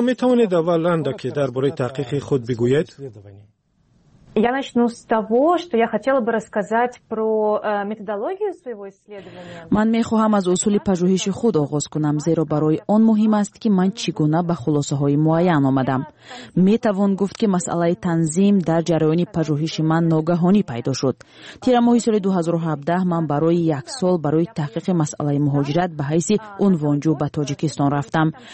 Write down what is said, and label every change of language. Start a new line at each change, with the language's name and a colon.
Persian: می توانید اولا که درباره تحقیق خود بگویید؟
Russian: Я начну с того, что я хотела бы рассказать про методологию своего исследования.
Tajik: Ман мехоҳам аз усули пажуҳиши худ оғоз кунам, зеро барои он муҳим аст ки ман чӣ гуна ба хулосаҳои муайян омадам. Метавон гуфт ки масъалаи танзим дар ҷараёни пажуҳиши ман ногаҳонӣ пайдо шуд. Тира моҳи соли 2017 ман барои як сол барои таҳқиқи масъалаи муҳоҷират ба ҳайси унвонҷӯ ба Тоҷикистон рафтам.